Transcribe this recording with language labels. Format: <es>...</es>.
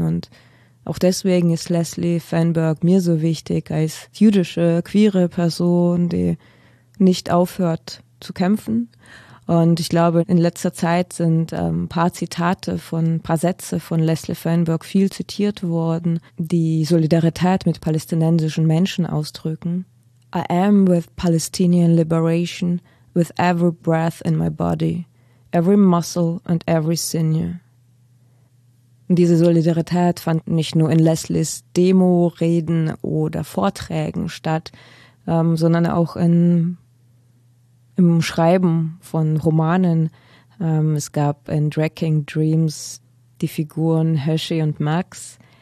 <de>Und auch deswegen ist Leslie Feinberg mir so wichtig als jüdische, queere Person, die nicht aufhört zu kämpfen. Und ich glaube, in letzter Zeit sind ein paar Sätze von Leslie Feinberg viel zitiert worden, die Solidarität mit palästinensischen Menschen ausdrücken.</de> <en>I am with Palestinian liberation, with every breath in my body, every muscle and every sinew.</en> <de>Und diese Solidarität fand nicht nur in Leslies Demo-Reden oder Vorträgen statt, sondern auch im Schreiben von Romanen. Es gab in Drag King Dreams die Figuren Hershey und Max.</de>